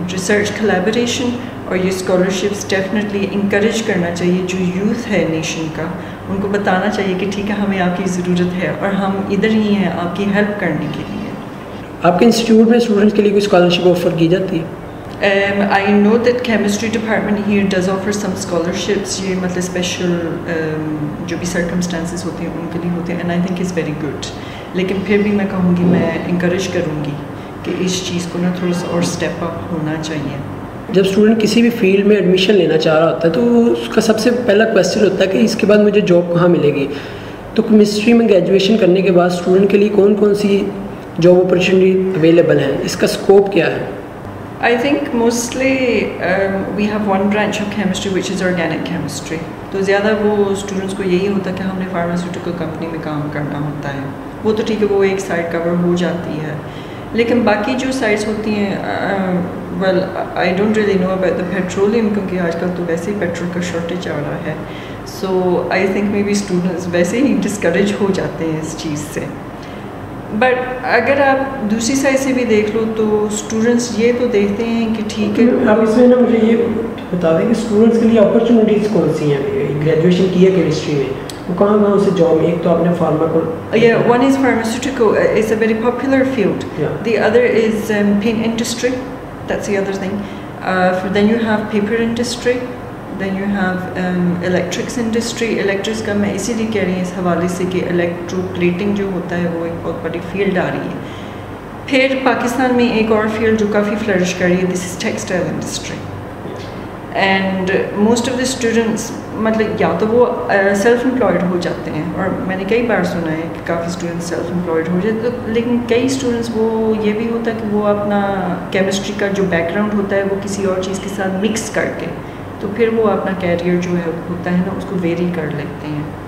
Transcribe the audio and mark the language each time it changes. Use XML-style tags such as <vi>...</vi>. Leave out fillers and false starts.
<ur>Research calibration اور یہ scholarships definitely encourage کرنا چاہیے جو یوتھ ہے نیشن کا, ان کو بتانا چاہیے کہ ٹھیک ہے ہمیں آپ کی ضرورت ہے اور ہم ادھر ہی ہیں آپ کی ہیلپ کرنے کے لیے. آپ کے انسٹیٹیوٹ میں اسٹوڈنٹس کے لیے کوئی اسکالرشپ آفر کی جاتی ہے؟</ur> <en>I know that chemistry department here does offer some scholarships.</en> <ur>یہ مطلب اسپیشل جو بھی سرکمسٹانسز ہوتے ہیں ان کے لیے ہوتے ہیں,</ur> <en>And I think it's very good.</en> <ur>لیکن پھر بھی میں کہوں گی, میں انکریج کروں گی کہ اس چیز کو نا تھوڑا سا اور اسٹیپ اپ ہونا چاہیے. جب اسٹوڈنٹ کسی بھی فیلڈ میں ایڈمیشن لینا چاہ رہا ہوتا ہے تو اس کا سب سے پہلا کوسچن ہوتا ہے کہ اس کے بعد مجھے جاب کہاں ملے گی. تو کیمسٹری میں گریجویشن کرنے کے بعد اسٹوڈنٹ کے لیے کون کون سی جاب اپارچونیٹی اویلیبل ہیں, اس کا اسکوپ کیا ہے؟</ur> <en>I think mostly we have one branch of chemistry which is organic chemistry.</en> <ur>تو زیادہ وہ اسٹوڈنٹس کو یہی ہوتا ہے کہ ہم نے فارماسیوٹیکل کمپنی میں کام کرنا ہوتا ہے. وہ تو ٹھیک ہے, وہ ایک سائڈ کور ہو جاتی ہے, لیکن باقی جو سائڈس ہوتی ہیں,</ur> <en>well I don't really know about the petroleum,</en> <ur>کیونکہ آج کل تو ویسے ہی پیٹرول کا شارٹیج آ رہا ہے.</ur> <en>so I think may be</en> <ur>students ویسے ہی ڈسکریج ہو جاتے ہیں اس چیز سے. بٹ اگر آپ دوسری سائڈ سے بھی دیکھ لو تو اسٹوڈنٹس یہ تو دیکھتے ہیں کہ ٹھیک ہے, آپ اس میں نا مجھے یہ بتا دیں کہ اسٹوڈنٹس کے لیے اپرچونیٹیز کون سی ہیں, گریجویشن کی ہے کیمسٹری میں تو کہاں کہاں اسے جاب, ایک تو آپ نے فارما کو,</ur> <en>One is pharmaceutical is a very popular field, the other is pen industry, that's the other thing, then you have paper industry, then you have electrics industry.</en> <ur>Electrics کا میں اسی لیے کہہ رہی ہوں اس حوالے سے کہ الیکٹرو پلیٹنگ جو ہوتا ہے وہ ایک بہت بڑی فیلڈ آ رہی ہے. پھر پاکستان میں ایک اور فیلڈ جو کافی فلرش کر رہی ہے,</ur> <en>This is textile industry. And most of the</en> <ur>students مطلب یا تو وہ سیلف امپلائڈ ہو جاتے ہیں, اور میں نے کئی بار سنا ہے کہ کافی اسٹوڈنٹس سیلف امپلائڈ ہو جاتے, لیکن کئی اسٹوڈنٹس وہ یہ بھی ہوتا ہے کہ وہ اپنا کیمسٹری کا جو بیک گراؤنڈ ہوتا ہے وہ کسی اور چیز کے ساتھ مکس کر کے, تو پھر وہ اپنا کیریئر جو ہے ہوتا ہے نا اس کو ویری کر لیتے ہیں.</ur>